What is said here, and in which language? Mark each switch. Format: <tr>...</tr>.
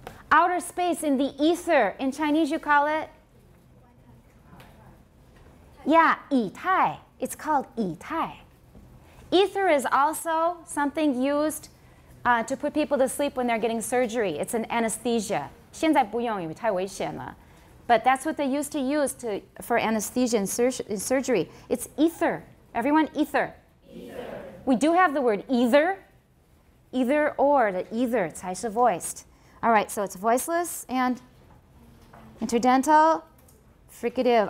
<en>Outer space in the ether. In Chinese, you call it? Yeah, 以太.It's called 以太. Ether is also something used to put people to sleep when they're getting surgery. It's an anesthesia.</en> <zh>现在不用，因为太危险了.</zh> <en>But that's what they used to use to for anesthesia in surgery. It's ether. Everyone, ether. Ether. We do have the word either. Either or, the ether,</en> <zh>才是</zh> <en>voiced. All right, so it's voiceless and interdental, fricative.</en>